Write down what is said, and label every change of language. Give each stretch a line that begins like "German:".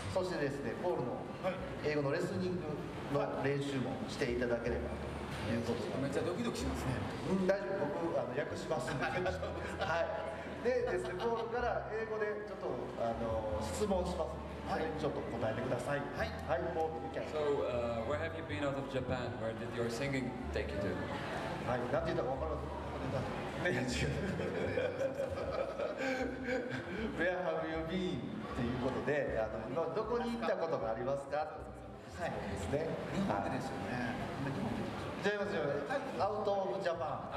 Japanese: そしてですね、ポールの英語のレスニングの練習もしていただければということで、はい、めっちゃドキドキしますね。うん、大丈夫、僕訳しますんで。はい、でですね、ポールから英語でちょっと質問しますので、それにちょっと答えてください。はい、はい、ポール、
English: Okay. So, where have you been out of Japan? Where did your singing take you to?
Japanese: はい、なんて言ったか分からない。
English: Where have you been?
Japanese: ということで、どこに行ったことがありますか。はい、ですね。日本でですよね。じゃあ、ますよ。
English: アウトオブジャパン。